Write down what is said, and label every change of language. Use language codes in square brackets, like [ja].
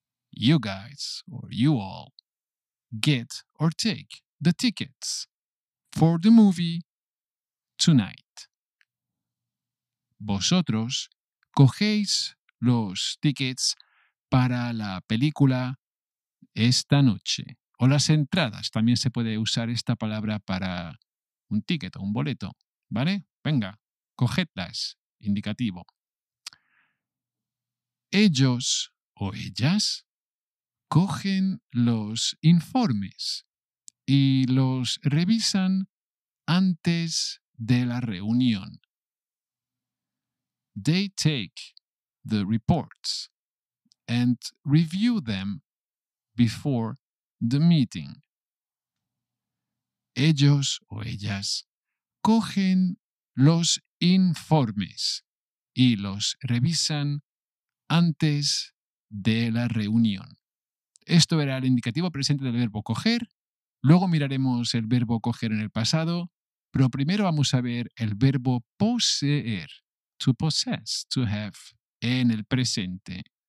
[en] You guys, or you all, get or take the tickets for the movie tonight. [es] Vosotros cogéis los tickets para la película esta noche. O las entradas. También se puede usar esta palabra para un ticket o un boleto. ¿Vale? Venga, cogedlas. Indicativo. Ellos o ellas cogen los informes y los revisan antes de la reunión. [en] They take the reports and review them before the meeting. [es] Ellos o ellas cogen los informes y los revisan antes de la reunión. Esto era el indicativo presente del verbo coger. Luego miraremos el verbo coger en el pasado, pero primero vamos a ver el verbo poseer, [en] to possess, to have, [es] en el presente.